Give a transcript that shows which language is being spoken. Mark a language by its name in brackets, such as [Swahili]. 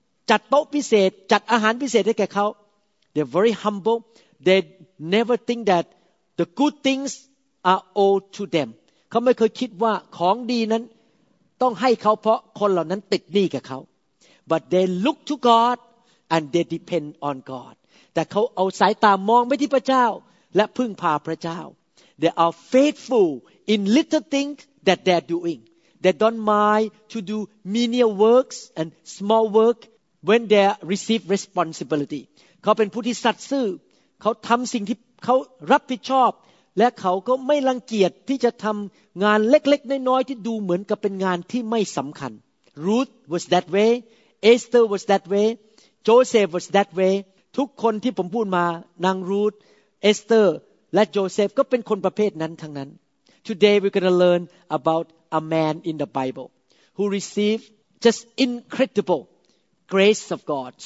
[Thai] จัดโต๊ะพิเศษจัดอาหารพิเศษให้กับเขา [English] They're very humble They never think that the good things are owed to them [Thai] เขาไม่เคยคิดว่าของดีนั้นต้องให้เขาเพราะคนเหล่านั้นติดหนี้กับเขา [English] but they look to God and they depend on God [Thai] แต่เขาเอาสายตามองไปที่พระเจ้าและพึ่งพาพระเจ้า [English] they are faithful in little things that they're doing that don't mind to do menial works and small work when they receive responsibility. [Thai] เขาเป็นผู้ที่สัตย์ซื่อเขาทำสิ่งที่เขารับผิดชอบและเขาก็ไม่รังเกียจที่จะทำงานเล็กๆน้อยๆที่ดูเหมือนกับเป็นงานที่ไม่สำคัญ [English] Ruth was that way. Esther was that way. Joseph was that way. [Thai] ทุกคนที่ผมพูดมานาง Ruth, Esther และ Joseph ก็เป็นคนประเภทนั้นทั้งนั้น [English] Today we're going to learn about a man in the Bible who received just incredible grace of God.